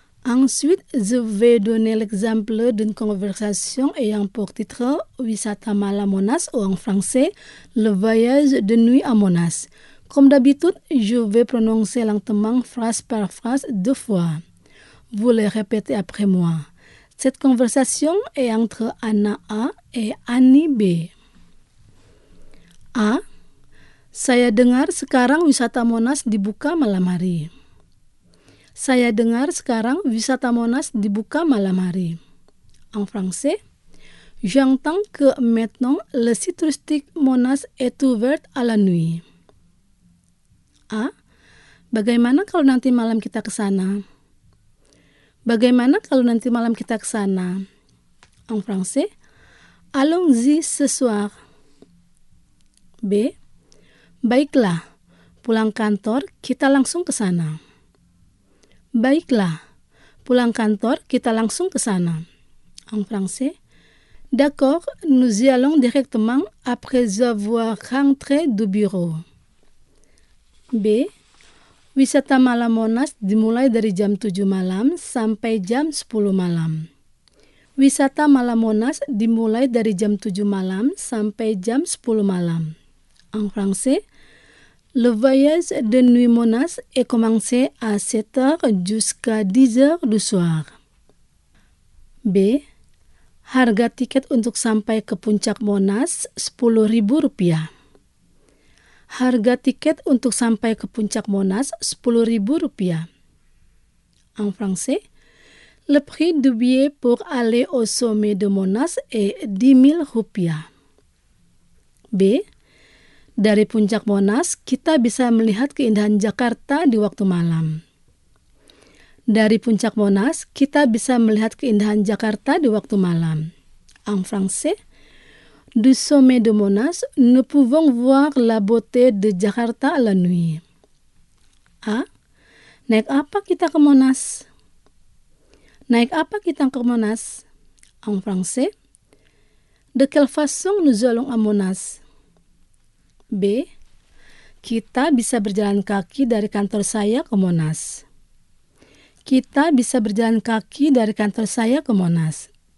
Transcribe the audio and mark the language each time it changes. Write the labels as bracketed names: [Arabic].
[French] Ensuite, je vais donner l'exemple d'une conversation ayant pour titre Wisata Malam Monas, ou en français, le voyage de nuit à Monas. Comme d'habitude, je vais prononcer lentement phrase par phrase deux fois. Vous les répétez après moi. Cette conversation est entre Anna A et Annie B. A. [Indonesian] Saya dengar sekarang wisata Monas dibuka malam hari. Saya dengar sekarang wisata Monas dibuka malam hari. [French] En français, j'entends que maintenant le site touristique Monas est ouvert à la nuit. A. [Indonesian] Bagaimana kalau nanti malam kita ke sana? Bagaimana kalau nanti malam kita ke sana? [French] En français, allons-y ce soir. B. [Indonesian] Baiklah, pulang kantor kita langsung ke sana. Baiklah, pulang kantor kita langsung ke sana. [French] En français, d'accord, nous y allons directement après avoir rentré du bureau. B. [Indonesian] Wisata Malam Monas dimulai dari jam 7 malam sampai jam 10 malam. Wisata Malam Monas dimulai dari jam 7 malam sampai jam 10 malam. [French] En français, le voyage de nuit Monas est commencé à 7 heures jusqu'à 10 heures du soir. B. [Indonesian] Harga tiket untuk sampai ke puncak Monas 10 ribu rupiah. Harga tiket untuk sampai ke puncak Monas Rp10.000. [French] En français, le prix du billet pour aller au sommet de Monas est Rp10.000. [Indonesian] B. Dari puncak Monas, kita bisa melihat keindahan Jakarta di waktu malam. Dari puncak Monas, kita bisa melihat keindahan Jakarta di waktu malam. [French] En français, du sommet de Monas, nous pouvons voir la beauté de Jakarta à la nuit. A. [Indonesian] Naik apa kita ke Monas? Naik apa kita ke Monas? [French] En français, de quelle façon nous allons à Monas? B. [Indonesian] Kita bisa berjalan kaki dari kantor saya ke Monas. Kita bisa berjalan kaki dari kantor saya ke Monas.